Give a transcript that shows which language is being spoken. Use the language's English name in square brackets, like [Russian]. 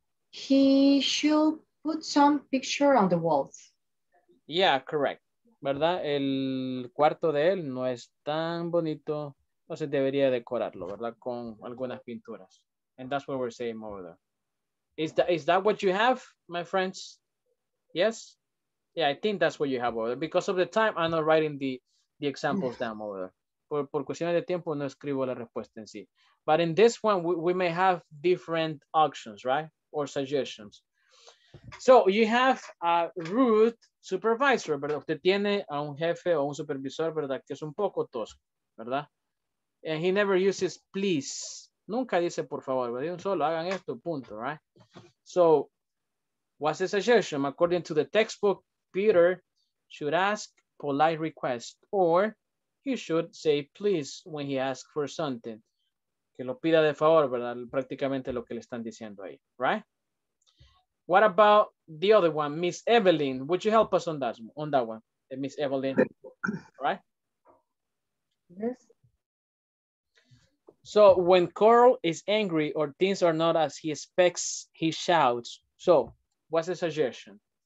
[English] He should put some picture on the walls. Yeah, correct. ¿Verdad? [Spanish] El cuarto de él no es tan bonito. No se debería decorarlo, ¿verdad? Con algunas pinturas. [English] And that's what we're saying over there. Is that what you have, my friends? Yes? Yeah, I think that's what you have over there. Because of the time, I'm not writing the examples down over there. [Spanish] Por cuestiones de tiempo, no escribo la respuesta en sí. [English] But in this one, we may have different options, right? Or suggestions. So you have a rude supervisor, ¿verdad? [Spanish] Usted tiene a un jefe o un supervisor, ¿verdad? Que es un poco tosco, ¿verdad? [English] And he never uses please. [Spanish] Nunca dice por favor, ¿verdad? Un solo, hagan esto, punto, right? [English] So what's the suggestion? According to the textbook, Peter should ask polite requests or he should say please when he asks for something. [Spanish] Que lo pida de favor, ¿verdad? Prácticamente lo que le están diciendo ahí, right? [English] What about the other one, Miss Evelyn? Would you help us on that one, Miss Evelyn? All right? Yes. So when Carl is angry or things are not as he expects, he shouts. So what's the suggestion?